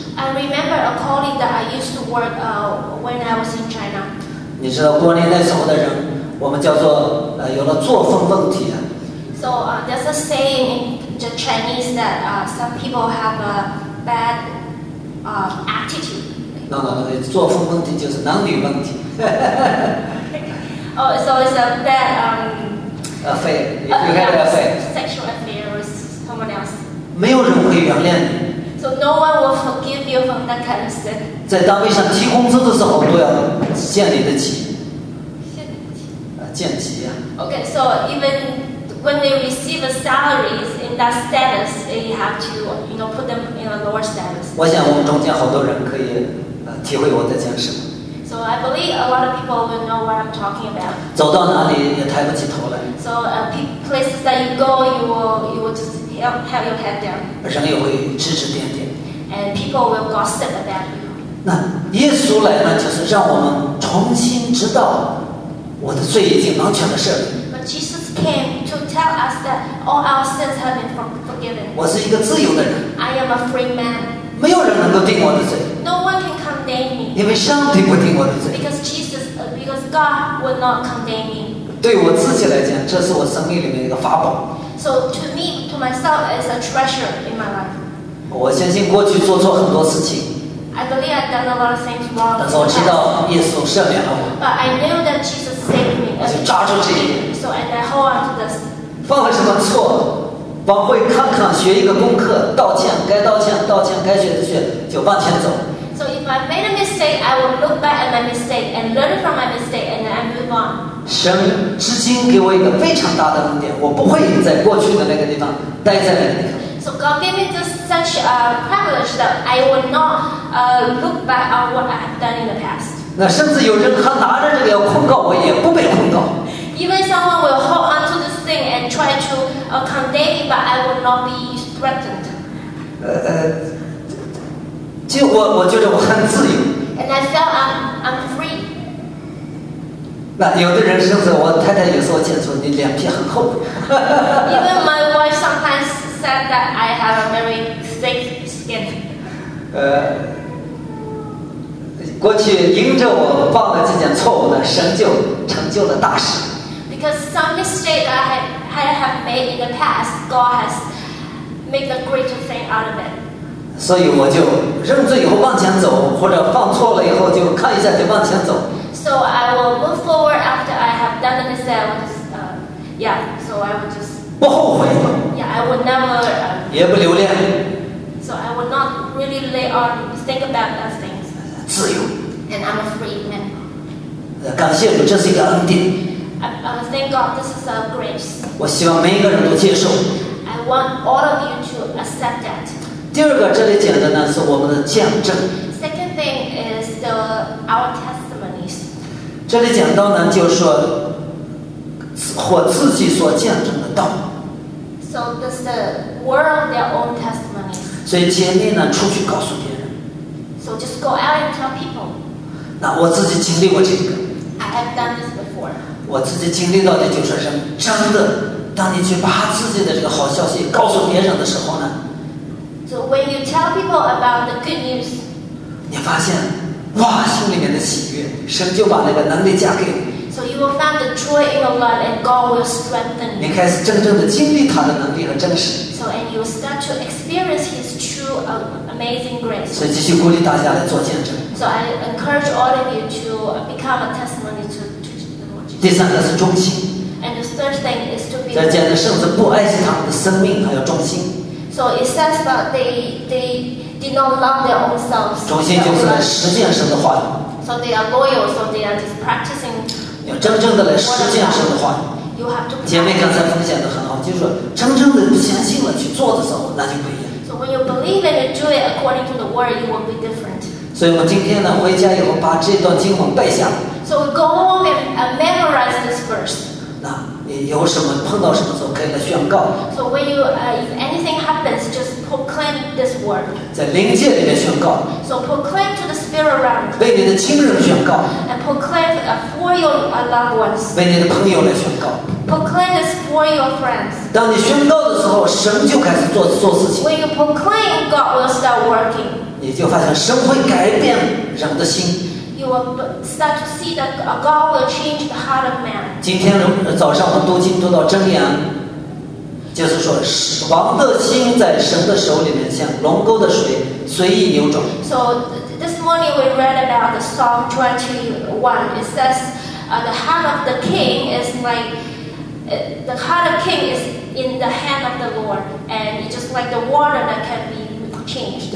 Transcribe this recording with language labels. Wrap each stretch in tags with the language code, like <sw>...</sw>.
<en>I remember a colleague that I used to work when I was in China.</en> <zh>你知道过年那时候的人，我们叫做有了作风问题。</zh> <en>So there's a saying in the Chinese that some people have a bad attitude.</en> <zh>No, 作风问题就是男女问题。</zh> <en>Oh, so it's a bad affair. You had an affair. Sexual affair with someone else.</en> <zh>没有人会原谅你。</zh> <en>So no one will forgive you from that kind of sin.</en> <zh>在单位上提工资的时候都要见你的急。见急啊。</zh> <en>Okay, so even when they receive a salary in that status, you have to, you know, put them in a lower status.</en> <zh>我想我们中间好多人可以体会我在讲什么。</zh> <en>So I believe a lot of people will know what I'm talking about.</en> <zh>走到哪里也抬不起头来。</zh> <en>So places that you go, you will just. Have your head down.</en> <zh>人也会指指点点。</zh> <en>And people will gossip about you.</en> <zh>那耶稣来呢，就是让我们重新知道我的罪已经完全的赦免。</zh> <en>But Jesus came to tell tell us that all our sins have been forgiven.</en> <zh>我是一个自由的人。</zh> <en>I am a free man.</en> <zh>没有人能够定我的罪。</zh> <en>No one can condemn me.</en> <zh>因为上帝不定我的罪。</zh> <en>Because God will not condemn me.</en> <zh>对我自己来讲，这是我生命里面一个法宝。</zh> <en>So to me, to myself, it's a treasure in my life.</en> <zh>我相信过去做错很多事情。</zh> <en>I believe I've done a lot of things wrong.</en> <zh>但是我知道耶稣赦免了我。</zh> <en>But I knew that Jesus saved me.</en> <zh>我就抓住这一点。</zh> <en>So and I hold on to this.</en> <zh>犯了什么错？往回看看，学一个功课，道歉，该道歉，道歉，该学的学，就往前走。</zh> <en>So if I made a mistake, I will look back at my mistake and learn from my mistake, and then I move on.</en> <zh>神至今给我一个非常大的恩典，我不会在过去的那个地方待在那个地方。</zh> <en>So God gave me this such a privilege that I will not look back on what I have done in the past.</en> <zh>那甚至有人还拿着这个要控告我，也不被控告。</zh> <en>Even someone will hold on to this thing and try to condemn me, but I will not be threatened.</en> <zh>就我觉得我很自由。</zh> <en>And I feel I'm free.</en> <zh>那有的人甚至我太太有时候见说你脸皮很厚。</zh> <en>Even my wife sometimes said that I have a very thick skin.</en> <zh>过去迎着我犯了这件错误呢，神就成就了大事。</zh> <en>Because some mistake that I have made in the past, God has made a great thing out of it.</en> <zh>所以我就认罪以后往前走，或者犯错了以后就看一下就往前走。</zh> <en>So I will move forward after I have done the mistake. So I will just</en> <zh>不后悔。</zh> <en>Yeah, I will never.</en> <zh>也不留恋。</zh> <en>So I will not really lay on think about those things.</en> <zh>自由。</zh> <en>And I'm a free man.</en> <zh>感谢主，这是一个恩典。</zh> <en>Thank God, this is a grace.</en> <zh>我希望每一个人都接受。</zh> <en>I want all of you to accept that.</en> <zh>第二个，这里讲的呢是我们的见证。</zh> <en>Second thing is our testimonies.</en> <zh>这里讲到呢，就是说我自己所见证的道。</zh> <en>So this is the word of their own testimonies.</en> <zh>所以竭力呢出去告诉别人。</zh> <en>So just go out and tell people.</en> <zh>那我自己经历过这个。</zh> <en>I have done this before.</en> <zh>我自己经历到的就是说，真的，当你去把自己的这个好消息告诉别人的时候呢</zh> <en>，So when you tell people about the good news，</en> <zh>你发现，哇，心里面的喜悦，神就把那个能力加给你。</zh> <en>So you will find the joy in your life, and God will strengthen you.</en> <zh>你开始真正的经历他的能力和真实。</zh> <en>So and you start to experience His true amazing grace.</en> <zh>所以继续鼓励大家来做见证。</zh> <en>So I encourage all of you to become a testimony to.</en> <zh>第三个是忠心。</zh> <en>And the third thing is to be.</en> <zh>在讲的甚至不爱惜他们的生命，还要忠心。</zh> <en>So it says that they did not love their own selves.</en> <zh>忠心就是来实践神的话语。</zh> <en>So they are loyal, so they are just practicing.</en> <zh>要真正的来实践神的话语。姐妹刚才分享的很好，就是真正的相信了去做的时候，那就不一样。</zh> <en>So when you believe it and do it according to the word, you will be different.</en> <zh>所以我今天呢，回家以后把这段经文背下。</zh> <en>So go home and memorize this verse.</en> <zh>那你有什么碰到什么时候可以来宣告</zh> <en>？So when you if anything happens, just proclaim this word.</en> <zh>在灵界里面宣告。</zh> <en>So proclaim to the spirit realm.</en> <zh>为你的亲人宣告。</zh> <en>And proclaim for your loved ones.</en> <zh>为你的朋友来宣告。</zh> <en>Proclaim this for your friends.</en> <zh>当你宣告的时候，神就开始做事情。</zh> <en>When you proclaim, God will start working.</en> <zh>你就发现神会改变人的心。</zh> <en>You will start to see that God will change the heart of man.</en> <zh>今天早上我们读经读到箴言，就是说，王的心在神的手里面，像龙沟的水，随意扭转。</zh> <en>So this morning we read about the Psalm 21. It says, the heart of the king is like, the heart of king is in the hand of the Lord, and it's just like the water that can be changed.</en>